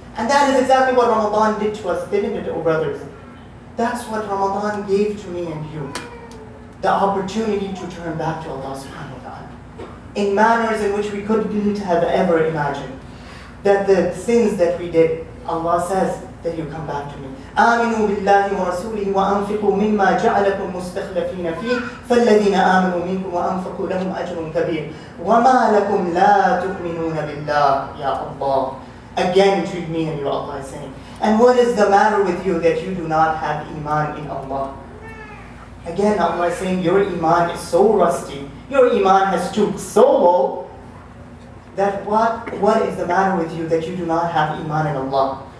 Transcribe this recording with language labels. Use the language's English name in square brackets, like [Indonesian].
[English] And that is exactly what Ramadan did to us, didn't it, O brothers? That's what Ramadan gave to me and you. The opportunity to turn back to Allah subhanahu wa ta'ala in manners in which we couldn't have ever imagined. That the sins that we did, Allah says that you come back to me. [Arabic] آمنوا بالله ورسوله وأنفقوا مما جعلكم مستخلفين فيه فالذين آمنوا منكم وأنفقوا لهم أجر كبير وما لكم لا تؤمنون بالله يا الله. [English] Again to me and you, Allah is saying. And what is the matter with you that you do not have iman in Allah? Again, Allah is saying, your iman is so rusty, your iman has stooped so low, that what is the matter with you that you do not have iman in Allah?